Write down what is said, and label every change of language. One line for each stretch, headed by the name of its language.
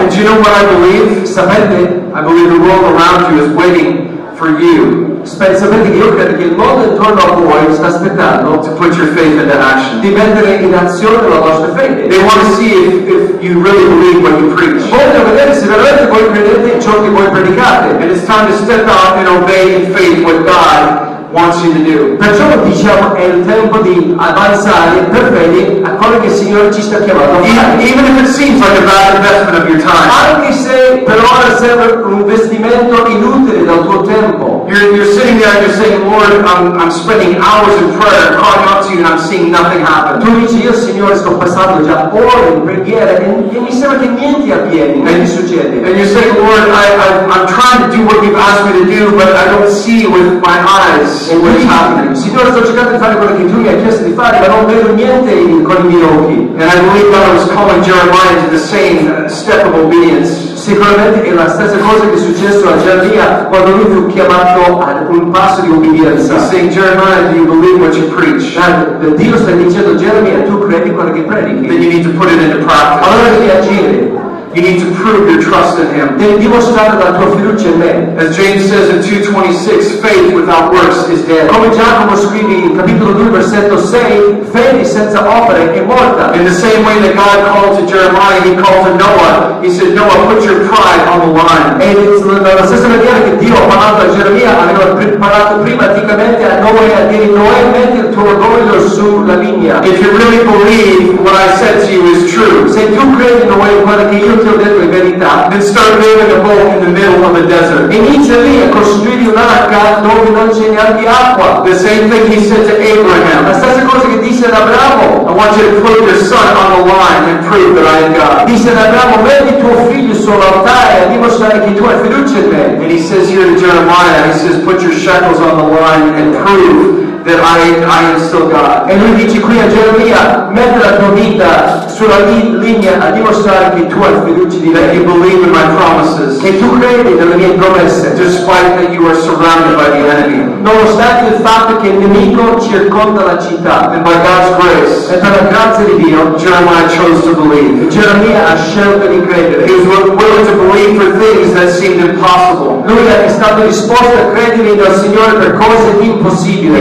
English: And do you know what I believe?
Italian: Sapete?
English: I believe the world around you is waiting for you.
Italian: Sapete che io credo che il mondo intorno a voi sta aspettando
English: to put your faith into action.
Italian: Di mettere in azione la vostra fede.
English: They want to see if you really believe what you preach.
Italian: Vogliono vedere se veramente voi credete ciò che voi predicate.
English: And it's time to step out and obey in faith what God wants you to do.
Italian: Perciò diciamo è il tempo di avanzare per fede a quello che il Signore ci sta chiamando.
English: Even if it seems like a bad investment of your time.
Italian: Anche se per ora sembra un investimento inutile dal tuo tempo.
English: You're sitting there and you're saying, Lord, I'm spending hours in prayer calling out to you and I'm seeing nothing happen.
Italian: Tu dici, io Signore sto passando già ore in preghiera e mi sembra che niente avviene, niente succede.
English: And you're saying, Lord, I'm trying to do what you've asked me to do, but I don't see with my eyes. And what's happening?
Italian: Signore, sto cercando di fare quello che tu mi hai chiesto di fare, ma non vedo niente con I miei occhi.
English: And I believe God was calling Jeremiah to the same step of obedience.
Italian: Sicuramente è la stessa cosa che è successo a Geremia quando lui fu chiamato ad un passo di obbedienza.
English: He's saying, Jeremiah, do you believe what you preach?
Italian: The Dio sta dicendo, Geremia, tu credi quello che predichi?
English: Then you need to put it into practice.
Italian: Allora devi agire.
English: You need to prove your trust in Him.
Italian: Devi dimostrare la tua fiducia in me.
English: As James says in 2:26, faith without works is dead.
Italian: Come Giacomo scrive in capitolo 2, versetto 6, fede senza opere è morta.
English: In the same way that God called to Jeremiah, He called to Noah. He said, Noah, put your pride on the line.
Italian: E nella stessa maniera che Dio ha parlato a Geremia, aveva parlato prima praticamente a Noè, a dire, Noè, metti il tuo orgoglio sulla linea.
English: If you really believe what I said to you is true,
Italian: se tu credi in Noè, quello che io ti ho detto in verità,
English: then start building a boat in the middle of the desert.
Italian: Inizia lì a costruire un'arca dove non c'è neanche acqua.
English: The same thing he said to Abraham.
Italian: La stessa cosa che disse ad Abramo.
English: I want you to put your son on the line and prove that I am God.
Italian: Disse ad Abramo, metti tuo figlio sull'altare e dimostrare che tu hai fiducia in me.
English: And he says here to Jeremiah, he says, put your shekels on the line and prove that I am still God.
Italian: E lui dice qui a Geremia, metti la tua vita sulla linea a dimostrare che tu hai fiducia di me.
English: That you believe in my promises.
Italian: Che tu credi nelle mie promesse.
English: Despite that you are surrounded by the enemy.
Italian: Nonostante il fatto che il nemico circonda la città.
English: And by God's grace.
Italian: E per la grazia di Dio.
English: Jeremiah chose to believe.
Italian: Geremia ha scelto di credere.
English: He was willing to believe for things that seemed impossible.
Italian: Lui è stato disposto a credere nel Signore per cose impossibili.